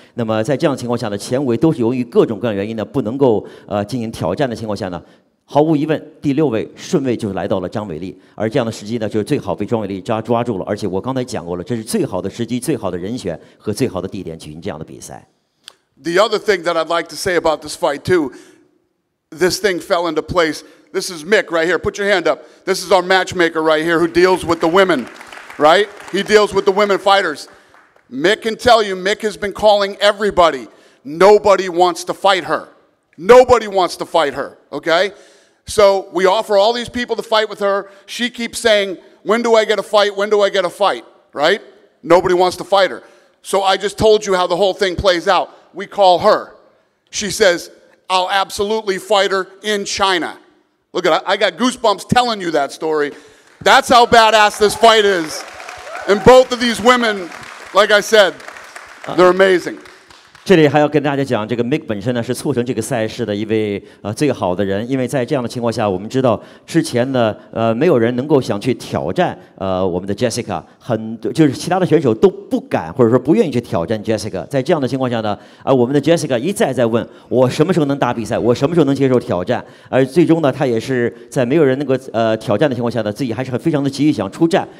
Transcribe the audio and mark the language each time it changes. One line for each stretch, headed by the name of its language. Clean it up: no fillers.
Chinese: 那么在这样的情况下呢，前五位都是由于各种各样原因呢不能够进行挑战的情况下呢。毫无疑问，第六位顺位就是来到了张伟丽，而这样的时机呢，就是最好被张伟丽抓住了。而且我刚才讲过了，这是最好的时机、最好的人选和最好的地点举行这样的比赛。
English: The other thing that I'd like to say about this fight too, this thing fell into place. This is Mick right here. Put your hand up. This is our matchmaker right here who deals with the women, right? He deals with the women fighters. Mick can tell you. Mick has been calling everybody. Nobody wants to fight her. Nobody wants to fight her, okay? So we offer all these people to fight with her. She keeps saying, when do I get a fight? When do I get a fight, right? Nobody wants to fight her. So I just told you how the whole thing plays out. We call her. She says, I'll absolutely fight her in China. Look at, I got goosebumps telling you that story. That's how badass this fight is. And both of these women, like I said, they're amazing.
Chinese: 这里还要跟大家讲，这个 Mick 本身呢是促成这个赛事的一位最好的人，因为在这样的情况下，我们知道之前呢没有人能够想去挑战我们的 Jessica， 很多就是其他的选手都不敢或者说不愿意去挑战 Jessica。在这样的情况下呢，我们的 Jessica 一再再问我什么时候能打比赛，我什么时候能接受挑战，而最终呢，他也是在没有人能够挑战的情况下呢，自己还是很非常的急于想出战。